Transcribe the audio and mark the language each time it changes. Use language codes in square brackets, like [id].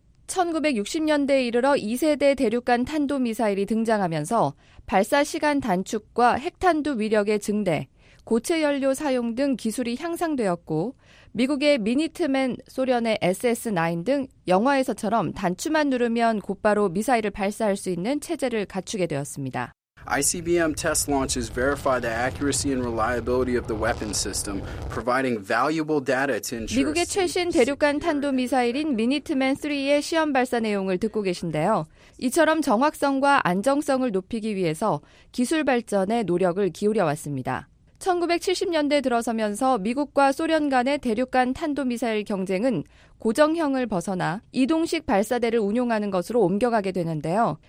[ko] 1960년대에 이르러 2세대 대륙간 탄도미사일이 등장하면서 발사 시간 단축과 핵탄두 위력의 증대, 고체 연료 사용 등 기술이 향상되었고 미국의 미니트맨, 소련의 SS-9 등 영화에서처럼 단추만 누르면 곧바로 미사일을 발사할 수 있는 체제를 갖추게 되었습니다. [en] ICBM test launches verify the accuracy and reliability of the weapon system, providing valuable data to ensure. [ko] 미국의 최신 대륙간 탄도 미사일인 미니트맨 3의 시험 발사 내용을 듣고 계신데요. 이처럼 정확성과 안정성을 높이기 위해서 기술 발전에 노력을 기울여 왔습니다. 1970년대 들어서면서 미국과 소련 간의 대륙 간 탄도미사일 경쟁은 고정형을 벗어나 이동식 발사대를 운용하는 것으로 옮겨가게 되는데요.